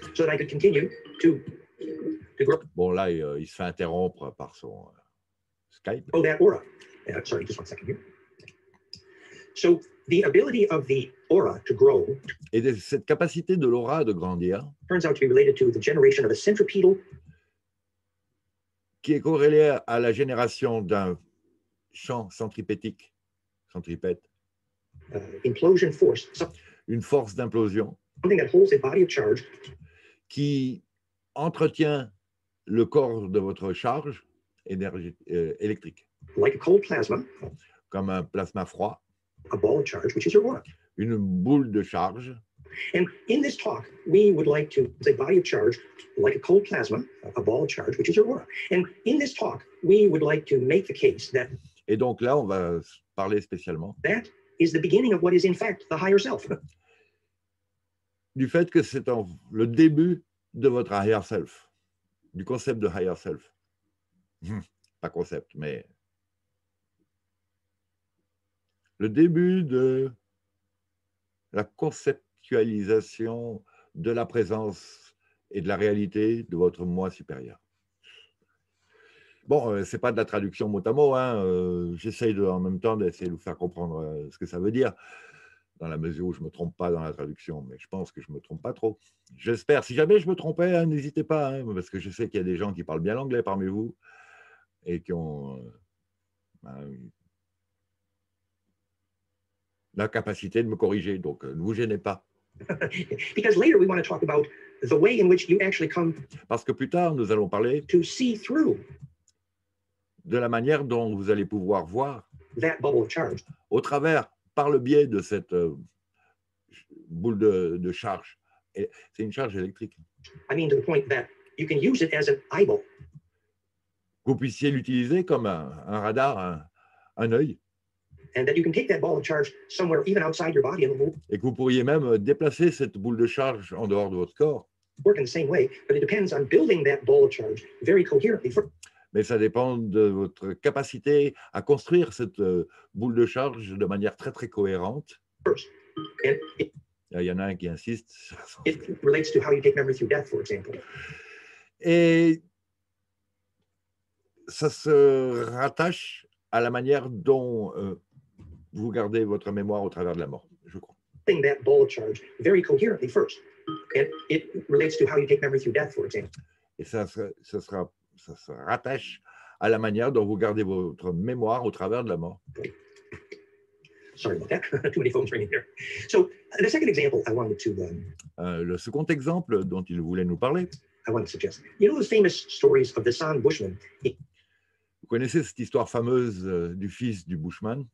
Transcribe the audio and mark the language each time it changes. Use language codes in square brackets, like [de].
[en] So that I could continue to grow. [fr] Bon, là, il se fait interrompre par son Skype. [en] Oh, that aura. Sorry, just one second here. So, the ability of the aura to grow. [fr] Et cette capacité de l'aura de grandir. [en] Turns out to be related to the generation of a centripetal. [fr] Qui est corrélée à la génération d'un champ centripétique, centripète. [en] Implosion force. [fr] Une force d'implosion. [en] Something that holds a body of charge. [fr] Qui entretient le corps de votre charge électrique. [en] Like a cold plasma. [fr] Comme un plasma froid. [en] A ball of charge, which is your aura. [fr] Une boule de charge. [en] And in this talk, we would like to say body of charge, like a cold plasma, a ball of charge, which is your aura. And in this talk, we would like to make the case that. [fr] Et donc là, on va parler spécialement. [en] That is the beginning of what is in fact the higher self. [fr] Du fait que c'est le début de votre higher self, du concept de higher self. Pas concept, mais. Le début de la conceptualisation de la présence et de la réalité de votre moi supérieur. Bon, ce n'est pas de la traduction mot à mot, hein. J'essaye en même temps d'essayer de vous faire comprendre ce que ça veut dire. dans la mesure où je ne me trompe pas dans la traduction, mais je pense que je ne me trompe pas trop. J'espère. Si jamais je me trompais, hein, n'hésitez pas, hein, parce que je sais qu'il y a des gens qui parlent bien l'anglais parmi vous et qui ont la capacité de me corriger. Donc, ne vous gênez pas. [en] Because later we want to talk about the way in which you actually come. [fr] Parce que plus tard, nous allons parler [en] to see through [fr] de la manière dont vous allez pouvoir voir [en] that bubble of charge. [fr] Au travers, par le biais de cette boule de charge. Et c'est une charge électrique. [en] I mean to the point that you can use it as an eyeball. [fr] Vous puissiez l'utiliser comme un radar, un œil. [en] And that you can take that ball of charge somewhere even outside your body and move. [fr] Et que vous pourriez même déplacer cette boule de charge en dehors de votre corps. [en] Work in the same way, but it depends on building that ball of charge very coherently. [fr] Mais ça dépend de votre capacité à construire cette boule de charge de manière très très cohérente. Il y en a un qui insiste. [en] It relates to how you take memory through death, for example. [fr] Et ça se rattache à la manière dont vous gardez votre mémoire au travers de la mort, je crois. [en] That ball of charge very coherently first. And it relates to how you take memory through death, for example. [fr] Et ça se rattache à la manière dont vous gardez votre mémoire au travers de la mort. [en] Sorry about that. Too many phones ringing here. So, the second example I wanted to... [fr] Le second exemple dont il voulait nous parler... [en] I want to suggest. You know the famous stories of the San Bushman? [fr] Vous connaissez cette histoire fameuse du fils du Bushman?